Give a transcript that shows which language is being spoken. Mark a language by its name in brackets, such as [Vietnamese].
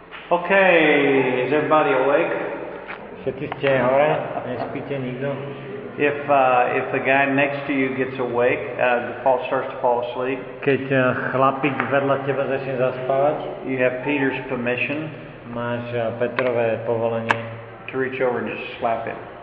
[English] Okay, is everybody awake? [Slovak] Všetci ste hore? Nespíte nikto? [English] If the guy next to you gets awake, starts to fall asleep. [Slovak] Keď chlapík vedľa teba začne zaspávať? [English] You have Peter's permission. [Slovak] Máš Petrové povolenie. [English] To reach over and just slap it.